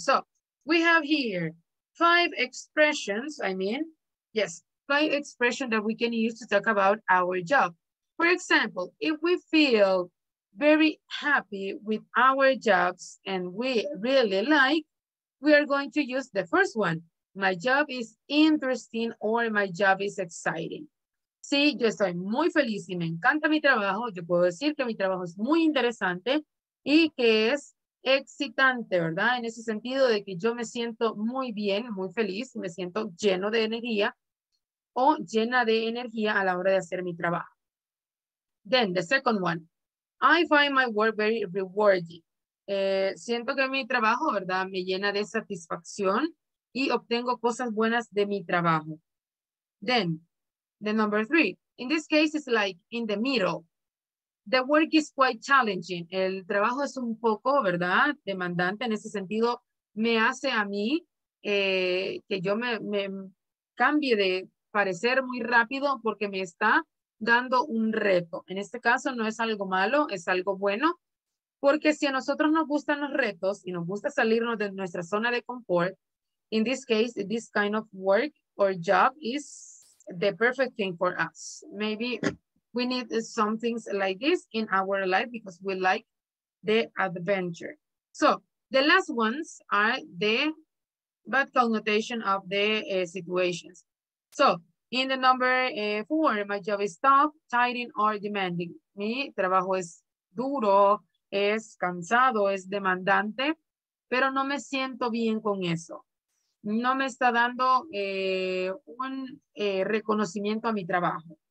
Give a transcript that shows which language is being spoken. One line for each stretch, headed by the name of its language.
English: So we have here five expressions that we can use to talk about our job. For example, if we feel very happy with our jobs and we really like, we are going to use the first one. My job is interesting or my job is exciting.
Spanish: Sí, yo estoy muy feliz y me encanta mi trabajo. Yo puedo decir que mi trabajo es muy interesante y que es excitante, ¿verdad? En ese sentido de que yo me siento muy bien, muy feliz, me siento lleno de energía o llena de energía a la hora de hacer mi trabajo.
English: Then, the second one. I find my work very rewarding.
Spanish: Siento que mi trabajo, ¿verdad? Me llena de satisfacción y obtengo cosas buenas de mi trabajo.
English: Then, the number three. In this case, it's like in the middle.
Spanish: The work is quite challenging. El trabajo es un poco, ¿verdad? Demandante en ese sentido. Me hace a mí que yo me cambie de parecer muy rápido porque me está dando un reto. En este caso no es algo malo, es algo bueno, porque si a nosotros nos gustan los retos y nos gusta salirnos de nuestra zona de confort, in this case, this kind of work or job is the perfect thing for us.
English: Maybe we need some things like this in our life because we like the adventure. So the last ones are the bad connotation of the situations. So in the number four, my job is tough, tiring, or demanding.
Spanish: Mi trabajo es duro, es cansado, es demandante, pero no me siento bien con eso. No me está dando un reconocimiento a mi trabajo.